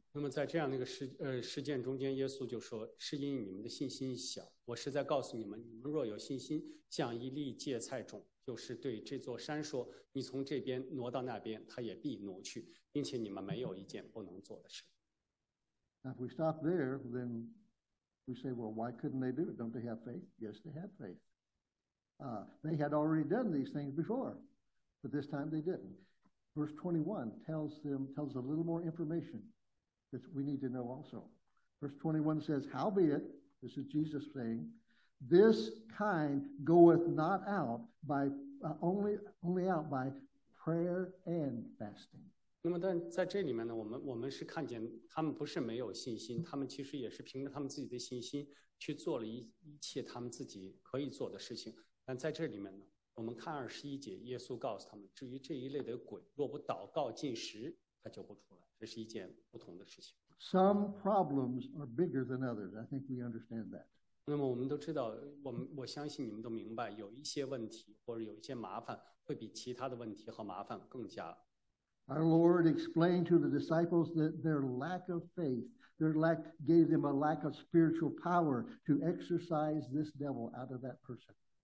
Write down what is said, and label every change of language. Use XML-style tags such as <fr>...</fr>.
<zh>那么在这样的一个事件中间，耶稣就说，是因你们的信心小。我实在告诉你们，你们若有信心，像一粒芥菜种，就是对这座山说，你从这边挪到那边，它也必挪去，并且你们没有一件不能做的事。</zh> <en>Now, if we stop there, then we say, well, why couldn't they do it? Don't they have faith? Yes, they have faith. They had already done these things before, but this time they didn't. Verse 21 tells a little more information that we need to know also. Verse 21 says, Howbeit, this is Jesus saying, This kind goeth not out by only out by prayer and fasting.</en> <zh>那么但在这里面呢，我们是看见他们不是没有信心，他们其实也是凭着他们自己的信心去做了一切他们自己可以做的事情。但在这里面呢，我们看21节，耶稣告诉他们，至于这一类的鬼若不祷告进食，他就不出来。这是一件不同的事情。</zh> <en>Some problems are bigger than others. I think we understand that.</en> <zh>那么我们都知道，我们我相信你们都明白，有一些问题或者有一些麻烦会比其他的问题和麻烦更加。</zh> <en>Our Lord explained to the disciples that their lack of faith, their lack gave them a lack of spiritual power to exercise this devil out of that person.</en>